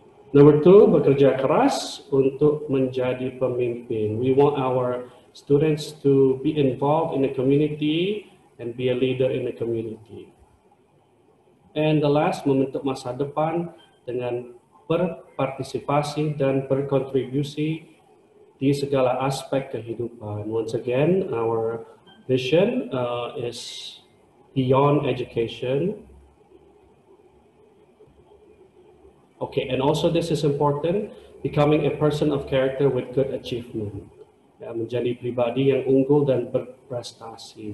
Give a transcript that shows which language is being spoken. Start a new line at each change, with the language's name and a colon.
Indonesian: Nomor two, bekerja keras untuk menjadi pemimpin.
English: We want our students to be involved in the community and be a leader in the community. And the last,
Indonesian: membentuk masa depan dengan berpartisipasi dan berkontribusi di segala aspek kehidupan.
English: Once again, our vision is beyond education. Okay, and also this is important, becoming a person of character with good achievement.
Indonesian: Ya, menjadi pribadi yang unggul dan berprestasi.